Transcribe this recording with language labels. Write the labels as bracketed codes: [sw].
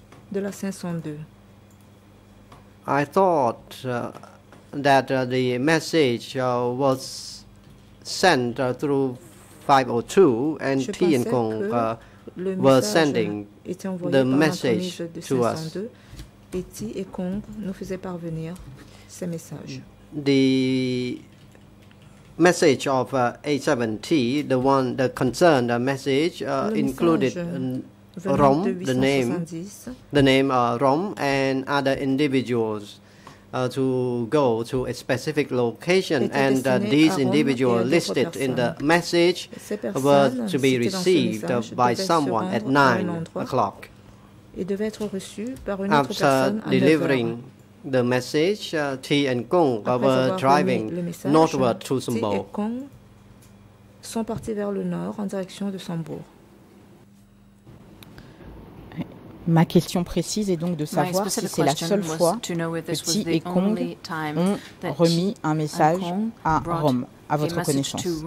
[fr] De la 502. [en] I thought that the message was sent through 502 and Ti and Kung were sending the message to us. [fr] Et Ti et Kung nous faisaient parvenir ces messages. [en] The message of A7T, the one that concerned the message, included Rom, the name Rom, and other individuals to go to a specific location. And these individuals listed in the message were to be received by someone at 9 o'clock. [fr] Et devait être reçu par une autre personne. [en] After delivering the message, Ti and Kung were driving northward to Sambor. [fr] Ti et Kung sont partis vers le nord en direction de Sambor. Ma question précise est donc de savoir si c'est la seule fois que Ti et Kung ont remis un message à Rome, à votre connaissance.